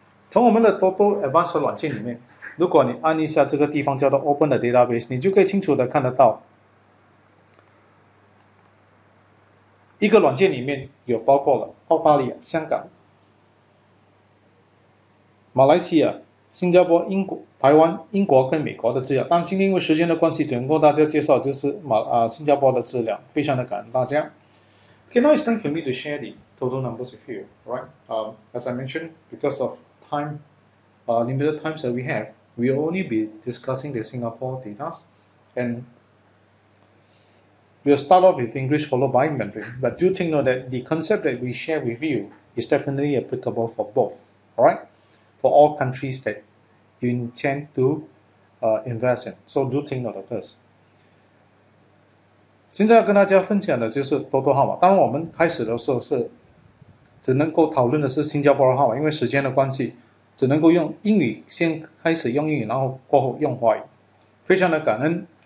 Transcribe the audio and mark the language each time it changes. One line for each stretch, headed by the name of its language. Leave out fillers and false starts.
Chinese: 从我们的多多 advanced 软件里面，如果你按一下这个地方叫做 Open the Database， 你就可以清楚的看得到一个软件里面有包括了澳大利亚、香港、马来西亚、新加坡、英国、台湾、英国跟美国的资料。但今天因为时间的关系，只能跟大家介绍就是新加坡的资料，非常的感恩大家。
English: Okay, now it's time for me to share the total numbers with you, right? As I mentioned, because of time, limited times that we have, we'll only be discussing the Singapore data, and we'll start off with English followed by Mandarin. But do take note that the concept that we share with you is definitely applicable for both, alright? For all countries that you intend to invest in. So do take note of this.
Chinese: 现在要跟大家分享的就是多多号码。当我们开始的时候是只能够讨论的是新加坡的号码，因为时间的关系只能够用英语，先开始用英语，然后过后用华语，非常的感恩。